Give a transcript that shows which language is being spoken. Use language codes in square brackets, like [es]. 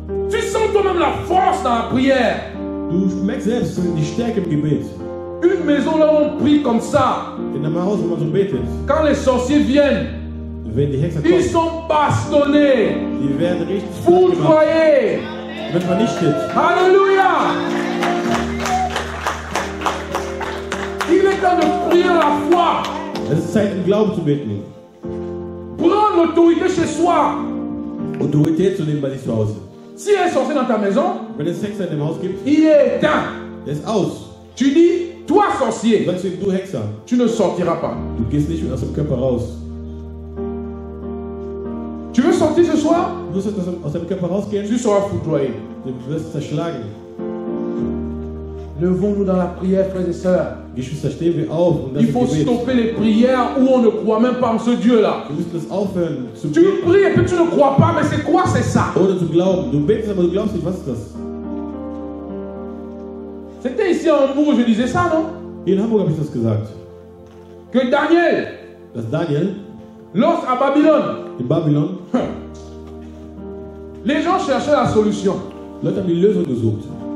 [fr] Tu sens toi-même la force dans la prière. [de] Du merkst selbst die Stärke im Gebet. [fr] Une maison là on prie comme ça. [de] In einem Haus, wo man so betet. [fr] Quand les sorciers viennent, [de] wenn die Hexer [fr] kommen, ils sont bastonnés. [de] Die werden richtig [fr] foudroyés. [de] Wird vernichtet. Halleluja. [fr] Il est temps de prier la foi. [de] Es ist Zeit, im Glauben zu beten. [fr] Prends l'autorité chez soi. [de] Autorité zu nehmen bei sich zu Hause. [fr] Si un sorcier dans ta maison, [de] wenn es Hexer in dem Haus gibt, [fr] il est éteint. [de] Er ist aus. [fr] Tu dis, toi sorcier, [de] wenn du Hexer, [fr] tu ne sortiras pas. [de] Du gehst nicht aus dem Körper raus. [fr] Tu veux sortir ce soir? [de] Du wirst aus dem Körper rausgehen. [fr] Tu seras foudroyé. [de] Du wirst zerschlagen. [fr] Levons-nous dans la prière, frères et sœurs. [de] Geschwister, stehen wir auf. [fr] Il faut stopper les prières où on ne croit même pas en ce Dieu-là. Tu pries et puis tu ne crois pas, mais c'est quoi, c'est ça? [de] Oder du glaubst, du betest, aber du glaubst nicht, was ist das? [fr] C'était ici en Hambourg, je disais ça, non? [de] In Hamburg habe ich das gesagt. [fr] Que Daniel. [de] Dass Daniel. [fr] Lors à Babylone. [de] In Babylon. [fr] Les gens cherchaient la solution. [de] Leute haben die Lösung gesucht.